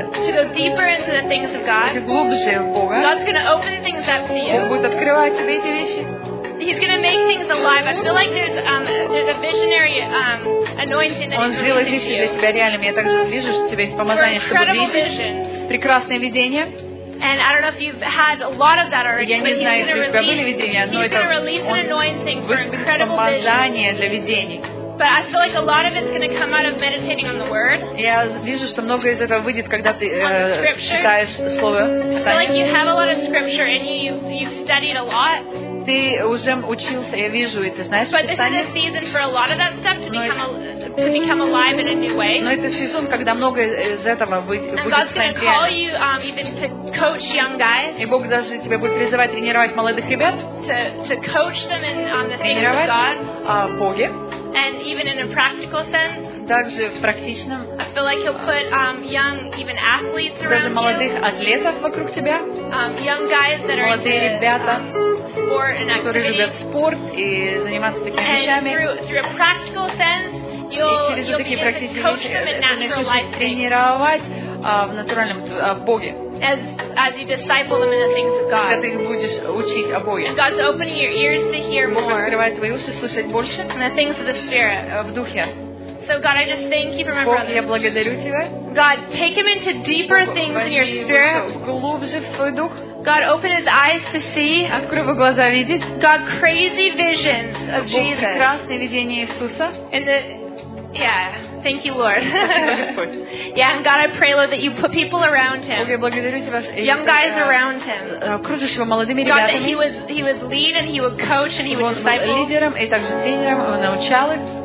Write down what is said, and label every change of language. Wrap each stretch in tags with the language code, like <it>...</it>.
<en>To go deeper into the things of God.</en> <ru>Идти глубже в Бога.</ru> <en>God's going to open things up to you.</en> <ru>Он будет открывать тебе эти вещи.</ru> <en>He's going to make things alive. I feel like there's a visionary anointing that</en> <ru>Он сделает вещи для тебя реальными. Я также вижу, что у тебя есть помазание, чтобы видеть. Прекрасное видение.</ru> <en>And I don't know if you've had a lot of that already, but he's going to release an anointing for incredible vision. But I feel like a lot of it's going to come out of meditating on the Word.</en> <ru>Я вижу, что многое из этого выйдет, когда ты читаешь Слово.</ru> <en>I feel like you have a lot of Scripture and you've studied a lot.</en> <ru>Ты уже учился, я вижу, и ты знаешь Писание.</ru> <en>But this is a season for a lot of that stuff to become alive in a new way.</en> <ru>Но это сезон, когда многое из этого будет стать реальным.</ru> <en>And God's going to call you even to coach young guys.</en> <ru>И Бог даже тебя будет призывать тренировать молодых ребят.</ru> <en>To coach them in the things of God.</en> <ru>Боге.</ru> <en>And even in a practical sense,</en> <ru>также в практичном,</ru> <en>I feel like he'll put young, even athletes around</en> <ru>you. Даже молодых атлетов вокруг тебя.</ru> <en>Young guys that are</en> <ru>молодые ребята,</ru> <en>sport and activity.</en> <ru>Которые любят спорт и заниматься такими</ru> <en>and</en> <ru>вещами.</ru> <en>Through a practical sense, you'll begin to coach them in natural life.</en> <ru>Тренировать в натуральном Боге.</ru> <en>As you disciple them in the things of God.</en> <ru>Когда ты их будешь учить о Боге.</ru> <en>God's opening your ears to hear more.</en> <ru>Бог открывает твои уши слушать больше.</ru> <en>And the things of the Spirit.</en> <ru>В духе.</ru> <en>So God, I just thank you for my brother.</en> <ru>Бог, я благодарю тебя.</ru> <en>God, take him into deeper things in your Spirit.</en> <ru>Глубже в твой дух.</ru> <en>God, open his eyes to see.</en> <ru>Открой его глаза видеть.</ru> <en>God, crazy visions of Jesus.</en> <ru>Бог, прекрасное видение Иисуса.</ru> <en>Thank you, Lord. Yeah, and God, I pray, Lord, that you put people around him. Young guys around him. God, that he would lead and he would coach and he would disciple.</en> <ru>Лидером и также тренером он научал их.</ru>